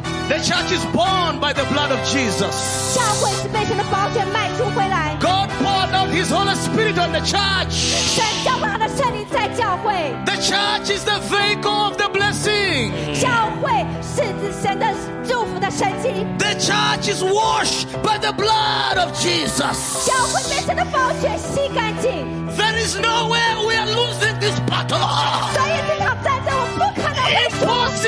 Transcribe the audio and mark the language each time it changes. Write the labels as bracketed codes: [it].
[en] The church is born by the blood of Jesus. [zh] 教会是被神的宝血买出回来。 [en] God poured out His Holy Spirit on the church. [zh] 神浇灌了圣灵在教会。 [en] The church is the vehicle of the blessing. [zh] 教会是神的祝福的神迹。 [en] The church is washed by the blood of Jesus. [zh] 教会被神的宝血洗干净。 [en] There is no way we are losing this battle. [zh] 所以这场战争我不可能会输。